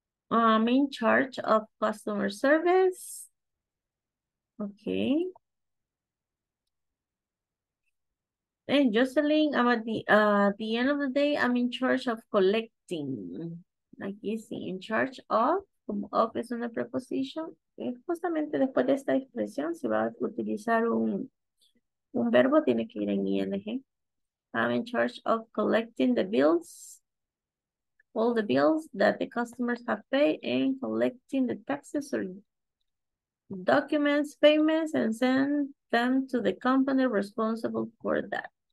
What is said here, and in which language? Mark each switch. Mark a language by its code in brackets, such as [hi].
[en] I'm in charge of customer service. Okay. And Jocelyn, I'm at the end of the day, I'm in charge of collecting. Like you see, in charge of. [es] Como of es una preposición, justamente después de esta expresión se va a utilizar un verbo, tiene que ir en ing. [en] I'm in charge of collecting the bills, all the bills that the customers have paid, and collecting the taxes or documents, payments, and send them to the company responsible for that.